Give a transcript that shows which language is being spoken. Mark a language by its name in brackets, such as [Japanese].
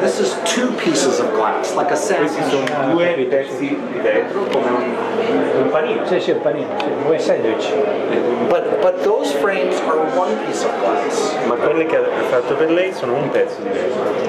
[English] This is two pieces of glass, like a sandwich. [Italian] Questi sono due pezzi di vetro come un panino. Sì, sì, un panino. Sì, due sandwich. [English] But those frames are one piece of glass. [Italian] Ma quelli che ha fatto per lei sono un pezzo di vetro.